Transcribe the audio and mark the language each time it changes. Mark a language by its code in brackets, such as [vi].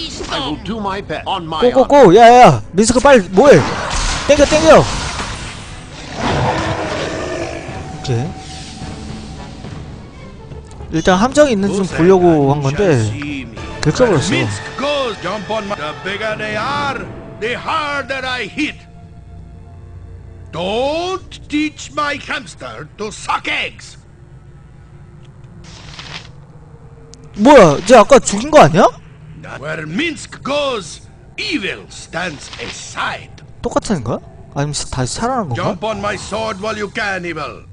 [en] I will do my best. [ko] 고고고. 야야야. 민스크 빨리 뭐해? 땡겨 땡겨. 오케이. 일단 함정이 있는지 좀 보려고 한 건데 긁어버렸어. [en] The bigger they are, the harder I hit. Don't teach my hamster to suck eggs. [ko] 뭐야, 쟤 아까 죽인 거 아니야? [en] Where Minsk goes, evil stands aside. [ko] 똑같은 거? 아니면 다시 살아난 건가? [en] Jump on my sword while you can, evil.